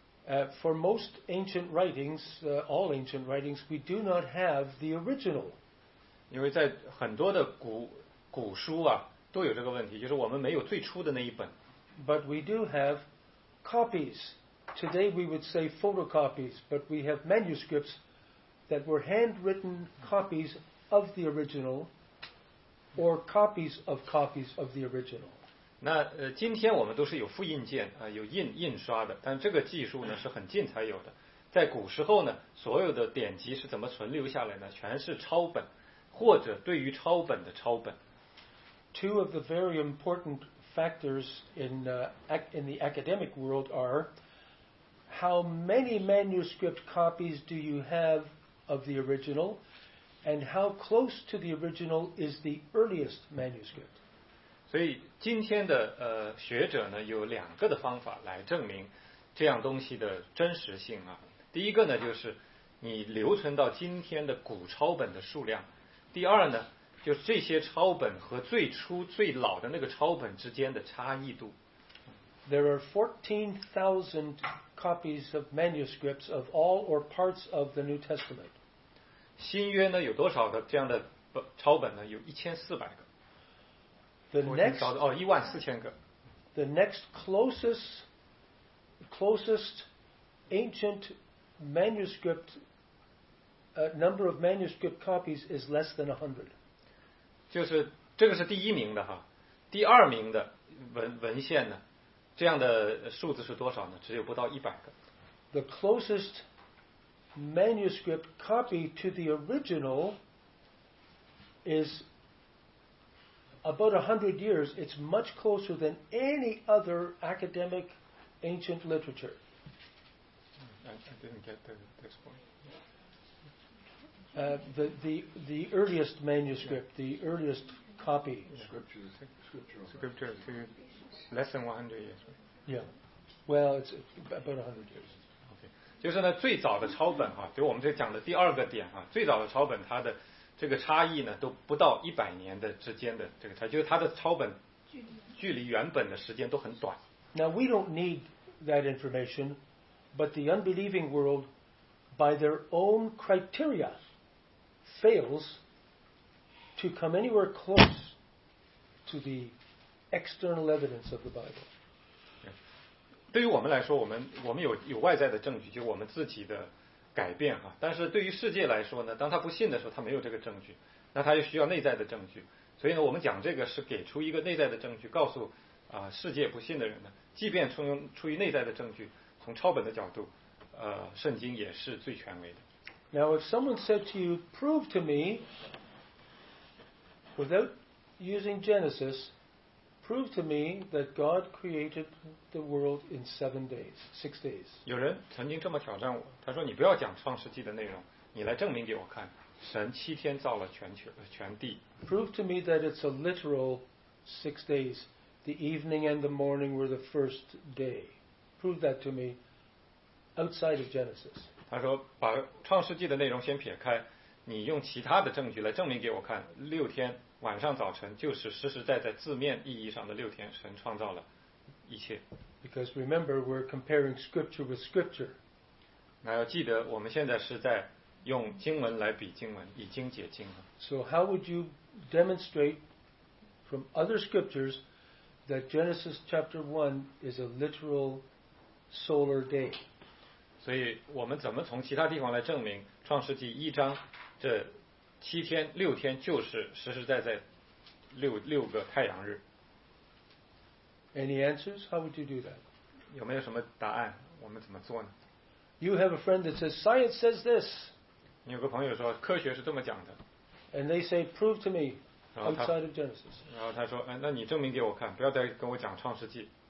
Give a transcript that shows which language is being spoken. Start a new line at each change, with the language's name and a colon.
English: For most ancient writings, all ancient writings, we do not have the original.
Chinese: 因为在很多的古书啊，都有这个问题，就是我们没有最初的那一本。
English: But we do have copies. Today we would say photocopies, but we have manuscripts that were handwritten copies of the original. Or copies of the original.
Chinese: 那今天我们都是有复印件啊，有印刷的，但这个技术呢是很近才有的。在古时候呢，所有的典籍是怎么存留下来呢？全是抄本，或者对于抄本的抄本。
English: Two of the very important factors in the academic world are how many manuscript copies do you have of the original? And how close to the original is the earliest manuscript?
Chinese: 所以今天的学者呢有两个的方法来证明这样东西的真实性啊。第一个呢就是你留存到今天的古抄本的数量。第二呢就是这些抄本和最初最老的那个抄本之间的差异度。
English: There are 14,000 copies of manuscripts of all or parts of the New Testament.
Chinese: 新约呢有多少的这样的抄本呢？有1400个。14,000个。
English: The next closest ancient manuscript number of manuscript copies is less than 100。
Chinese: 就是这个是第一名的哈，第二名的文献呢，这样的数字是多少呢？只有不到100个。
English: The closest. Manuscript copy to the original is about 100 years. It's much closer than any other academic ancient literature. I didn't get this point. The earliest manuscript, the earliest copy. Scripture. Less than 100 years. Yeah. Well, it's about 100 years.
Chinese: 就是呢，最早的抄本哈，就我们这讲的第二个点哈，最早的抄本它的这个差异呢，都不到100年的之间的这个差，就是它的抄本距离原本的时间都很短。
English: Now we don't need that information, but the unbelieving world, by their own criteria, fails to come anywhere close to the external evidence of the Bible.
Chinese: 对于我们来说，我们有外在的证据，就我们自己的改变哈。但是对于世界来说呢，当他不信的时候，他没有这个证据，那他就需要内在的证据。所以呢，我们讲这个是给出一个内在的证据，告诉世界不信的人呢，即便出于内在的证据，从抄本的角度，圣经也是最权威的。
English: Now, if someone said to you, "Prove to me without using Genesis." Prove to me that God created the world in six days.
Chinese: 有人曾经这么挑战我，他说：“你不要讲创世纪的内容，你来证明给我看，神七天造了全地。”
English: Prove to me that it's a literal 6 days. The evening and the morning were the first day. Prove that to me outside of Genesis.
Chinese: 他说：“把创世纪的内容先撇开，你用其他的证据来证明给我看，六天。” 晚上早晨就是实实在在字面意义上的六天，神创造了一切。
English: Because remember, we're comparing scripture with scripture.
Chinese: 那要记得，我们现在是在用经文来比经文，以经解经啊。
English: So how would you demonstrate from other scriptures that Genesis chapter 1 is a literal solar day?
Chinese: 所以我们怎么从其他地方来证明创世纪一章这七天六天就是实实在在六个太阳日。
English: Any answers? How would you do that?
Chinese: 有没有什么答案？我们怎么做呢？
English: You have a friend that says science says this.
Chinese: 你有个朋友说科学是这么讲的。
English: And they say prove to me outside of Genesis.
Chinese: 然后他说，哎，那你证明给我看，不要再跟我讲创世纪。